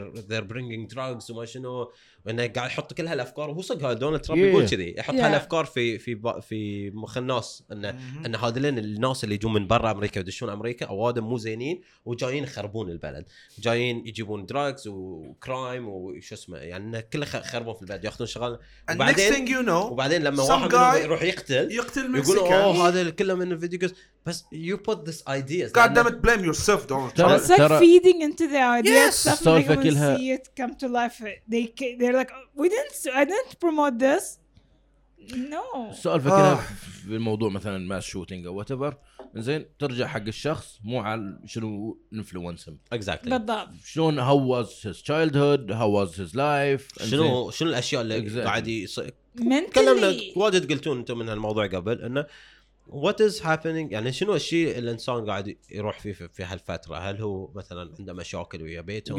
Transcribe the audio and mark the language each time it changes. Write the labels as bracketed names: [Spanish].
[English] they're bringing drugs [Arabic] وما شنو وإنه قاعد يحط كل هالأفكار وهو صدق هذا دونالد ترامب يقول كذي يحط هالأفكار في في في مخ الناس إنه إنه هذولين الناس اللي يجون من برا أمريكا ويدشون أمريكا أوادم مو زينين وجايين يخربون البلد جايين يجيبون drugs وcrime وش اسمه يعني كله خربون في البلد ياخذون شغل وبعدين [English] you know, [Arabic] وبعدين لما واحد يروح يقتل يقتل مكسيكان يقول اوه هذا كله من الفيديو جيمز بس [English] you put this ideas god damn it blame yourself don't you it's like feeding into the ideas stuff like we see it come to life they're like we didn't I didn't promote this no [Arabic] السؤال فكرة في الموضوع مثلا [English] mass shooting or whatever [Arabic] انزين ترجع حق الشخص مو على شنو انفلونس هم [English] exactly [Arabic] بالضبط شلون [English] how was his childhood how was his life [Arabic] شنو شنو الاشياء اللي قاعد تكلمنا واجد قلتون انتم من هالموضوع قبل انه [English] what is happening [Arabic] يعني شنو الشيء اللي الانسان قاعد يروح فيه في هالفتره هل هو مثلا عنده مشاكل ويا بيته